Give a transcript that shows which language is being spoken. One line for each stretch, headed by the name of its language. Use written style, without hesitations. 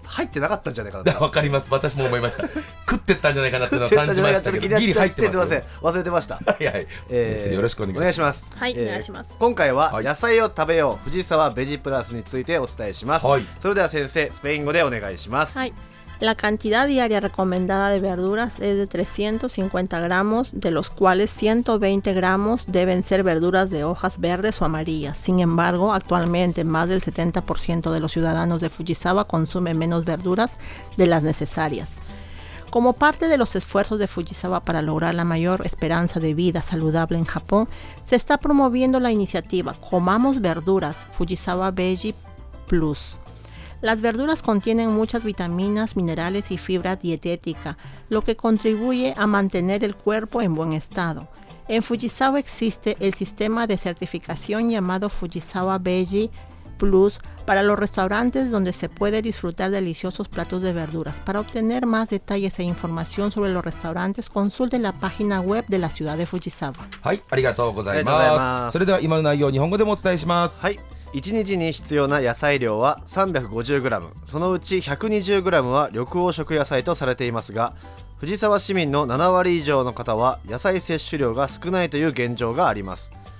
Japanese: 入ってなかったんじゃないかな。わかります、私も思いました。食ってったんじゃないかなっていうのは感じましたけど、ギリ入ってます。すいません、忘れてました。はいはい、よろしくお願いします。はい、お願いします。今回は野菜を食べよう、はい、藤沢ベジプラスについてお伝えします。はい、それでは先生、スペイン語でお願いします。はい、
Spanish: La cantidad diaria recomendada de verduras es de 350 gramos, de los cuales 120 gramos deben ser verduras de hojas verdes o amarillas. Sin embargo, actualmente más del 70% de los ciudadanos de Fujisawa consumen menos verduras de las necesarias. Como parte de los esfuerzos de Fujisawa para lograr la mayor esperanza de vida saludable en Japón, se está promoviendo la iniciativa Comamos Verduras Fujisawa Veggie Plus. Las verduras contienen muchas vitaminas, minerales y fibra dietética, lo que contribuye a mantener el cuerpo en buen estado. En Fujisawa existe el sistema de certificación llamado Fujisawa Veggie Plus para los restaurantes, donde se puede disfrutar deliciosos platos de verduras. Para obtener más detalles e información sobre los restaurantes, consulte la página web de la ciudad de Fujisawa.
Japanese: はい、ありがとうございます。それでは今の内容を日本語でもお伝えします。はい。 1日に必要な野菜量は 350g、 そのうち 120g は緑黄色野菜とされていますが、藤沢市民の7割以上の方は野菜摂取量が少ないという現状があります。